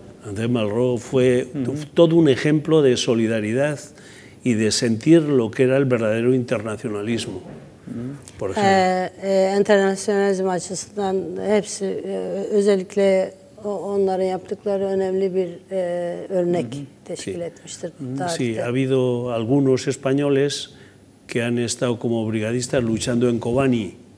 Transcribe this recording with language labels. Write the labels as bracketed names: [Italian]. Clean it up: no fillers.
[Spanish] André Malraux fue todo un ejemplo de solidaridad y de sentir lo que era el verdadero internacionalismo. Por [Turkish] internasyonalizm açısından hepsi özellikle onların yaptıkları önemli bir örnek teşkil etmiştir. [Spanish] Sí, ha habido algunos españoles que han estado como brigadistas luchando en Kobani.